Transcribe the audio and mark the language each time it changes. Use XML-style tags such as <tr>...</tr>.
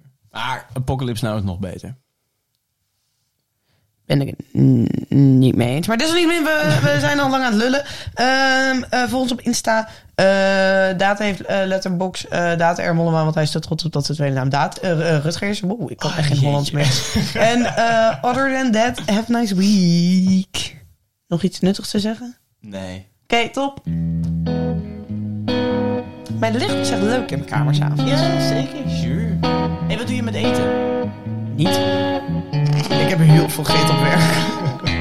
<nl>Maar Apocalypse Now is nog beter. Ben ik het niet mee eens. Maar desalniettemin, we zijn al lang aan het lullen. Volg ons op Insta. Data heeft Letterbox. Data R. Mollema, want hij is te trots op dat ze tweede naam. Rutger is... ik kan echt geen Hollands meer.</nl> <en>En other than that, have a nice week.</en> <nl>Nog iets nuttigs te zeggen? Nee. Oké, top. Mijn licht is echt leuk in mijn kamer s'avonds. Ja, zeker. Sure. Hey, wat doe je met eten? Niet. Ik heb heel veel geet op werk.</nl>